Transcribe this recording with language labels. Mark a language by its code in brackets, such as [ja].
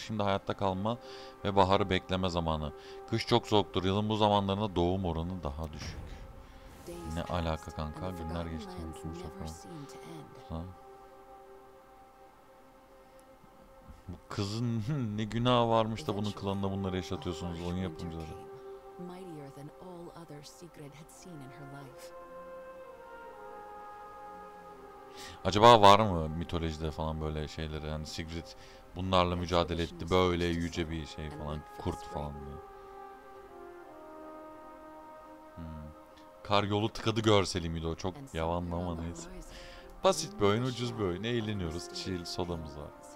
[tr] Şimdi hayatta kalma ve baharı bekleme zamanı. Kış çok soğuktur. Yılın bu zamanlarında doğum oranı daha düşük. Ne alaka kanka? Günler geçti. Unutun bu sefer. Bu kızın ne günahı varmış da bunun klanında bunları yaşatıyorsunuz. Onu yapımcıları. [en] Mightier than all other Sigrid had seen in her life. [tr] Acaba var mı mitolojide falan böyle şeyleri, yani Sigrid bunlarla mücadele etti, böyle yüce bir şey falan, kurt falan diye. Kar yolu tıkadı görseli miydi o, çok yavanlı ama neyse. Basit bir oyun, ucuz bir oyun, eğleniyoruz, chill, sodamız var.